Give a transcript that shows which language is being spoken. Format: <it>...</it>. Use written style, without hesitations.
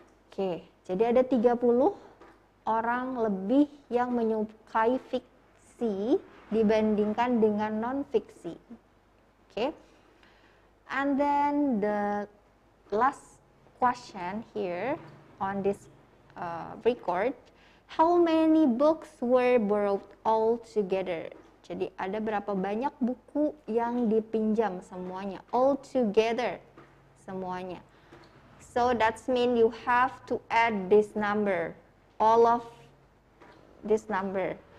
<id>Okay, jadi ada 30 orang lebih yang menyukai fiksi dibandingkan dengan non-fiksi. Okay.</id> <en>And then the last question here on this record, how many books were borrowed all together?</en> <id>Jadi ada berapa banyak buku yang dipinjam semuanya,</id> <en>all together</en> <id>semuanya.</id> <en>So that means you have to add this number, all of this number.</en>